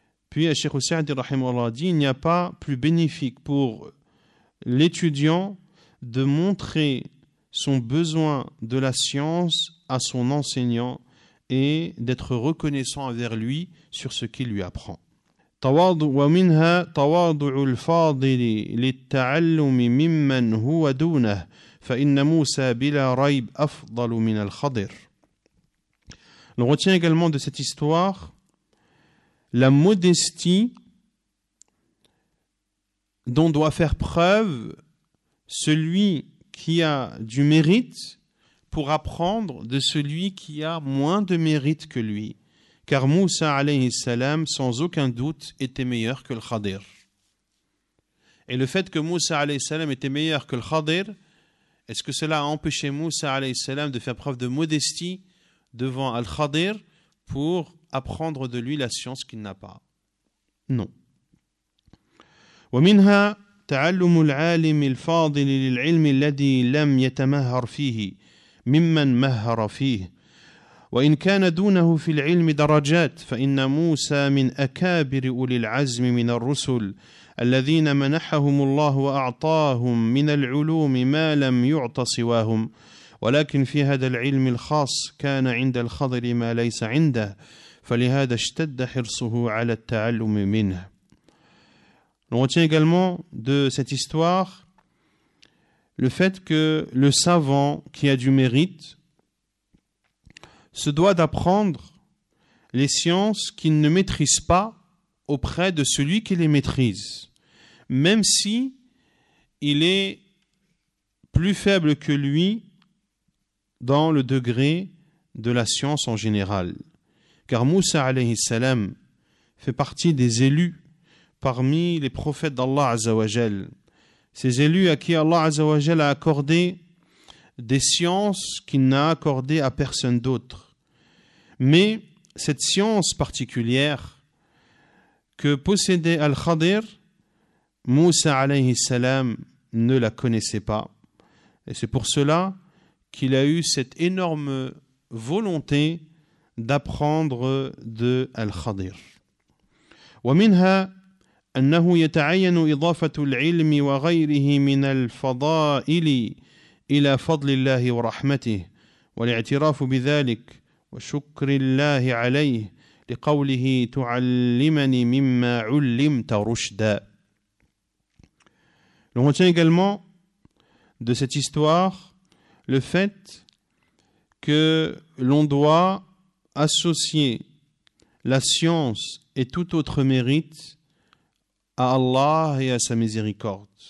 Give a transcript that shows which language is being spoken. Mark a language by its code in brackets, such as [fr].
[fr] Puis, Cheikh Saadi rahimahullah dit, il n'y a pas plus bénéfique pour l'étudiant de montrer son besoin de la science à son enseignant et d'être reconnaissant envers lui sur ce qu'il lui apprend. [ar] تواضع ومنها تواضع الفاضل للتعلم ممن هو دونه فإن موسى بلا ريب أفضل من الخضر. [fr] On retient également de cette histoire la modestie dont doit faire preuve celui qui a du mérite pour apprendre de celui qui a moins de mérite que lui. Car Moussa alayhi salam, sans aucun doute, était meilleur que le Khadir. Et le fait que Moussa alayhi salam était meilleur que le Khadir, est-ce que cela a empêché Moussa alayhi salam de faire preuve de modestie devant Al-Khadir pour apprendre de lui la science qu'il n'a pas ? Non. [ar] ومنها تعلم العالم الفاضل للعلم الذي لم يتمهر فيه ممن مهر فيه. وإن كان دونه في العلم درجات فإن موسى من أكابر أولي العزم من الرسل الذين منحهم الله وأعطاهم من العلوم ما لم يعط سواهم ولكن في هذا العلم الخاص كان عند الخضر ما ليس عنده فلهذا اشتد حرصه على التعلم منه. [fr] On retient également de cette histoire le fait que le savant qui a du mérite se doit d'apprendre les sciences qu'il ne maîtrise pas auprès de celui qui les maîtrise, même si il est plus faible que lui dans le degré de la science en général. Car Moussa alayhi salam fait partie des élus parmi les prophètes d'Allah azawajal. Ces élus à qui Allah azawajal a accordé des sciences qu'il n'a accordées à personne d'autre. Mais cette science particulière que possédait Al-Khadir, Moussa alayhi salam ne la connaissait pas. Et c'est pour cela qu'il a eu cette énorme volonté d'apprendre de Al-Khadir. [ar] ومنها أنه يتعين إضافة العلم وغيره من الفضائل إلى فضل الله ورحمته والاعتراف بذلك وشكر الله عليه لقوله تعلمني مما علمت رشدا. [fr] On retient également de cette histoire le fait que l'on doit associer la science et tout autre mérite à Allah et à sa miséricorde.